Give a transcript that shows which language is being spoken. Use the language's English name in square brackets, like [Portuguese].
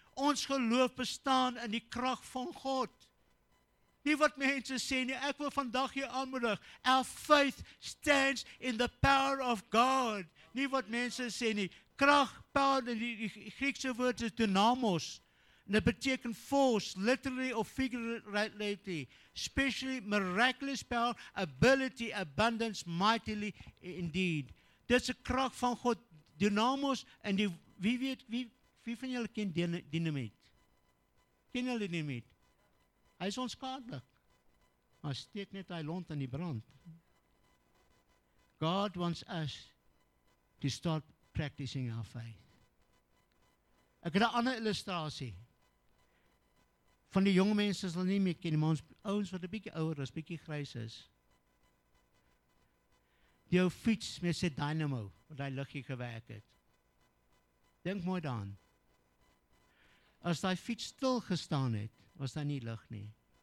[Afrikaans] Ons geloof bestaan in die krag van God. Nie wat mense sê nie, ek wil vandag jou aanmoedig. [English] Our faith stands in the power of God. [Afrikaans] Nie wat mense sê nie. Krag, power, die Griekse woord is dynamos. En dit beteken [English] force, literally or figuratively. Especially miraculous power, ability, abundance, mightily indeed. [Afrikaans] Dit is die krag van God. Dynamos, en die, wie weet, wie van julle ken dynamiet? Ken julle dynamiet? Hy is onskadelik. Maar steek net hy lont in die brand. [English] God wants us to start practicing our faith. [Afrikaans] Ek het 'n ander illustrasie. Van die jong mense sal nie meer ken, maar ons ouens wat 'n bietjie ouer is, bietjie grys is. Die ou fiets met sy dynamo, wat hy liggie gewerk het. Dink mooi daaraan. As daai fiets stil gestaan het, was daar nie lig nie.